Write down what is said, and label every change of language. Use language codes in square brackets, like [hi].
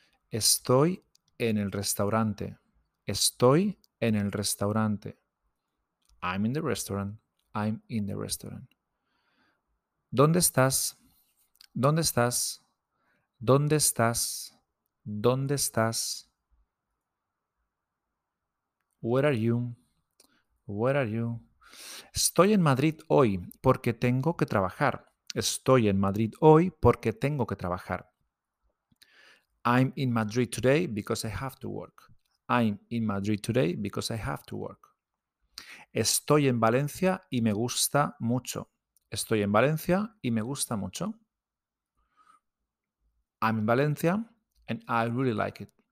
[es] Estoy en el restaurante, estoy en el restaurante. [en] I'm in the restaurant, I'm in the restaurant. [es] ¿Dónde estás? ¿Dónde estás? ¿Dónde estás? ¿Dónde estás? [en] Where are you? Where are you? [es] Estoy en Madrid hoy porque tengo que trabajar. Estoy en Madrid hoy porque tengo que trabajar. [en] I'm in Madrid today because I have to work. I'm in Madrid today because I have to work. [es] Estoy en Valencia y me gusta mucho. Estoy en Valencia y me gusta mucho. [en] I'm in Valencia, and I really like it.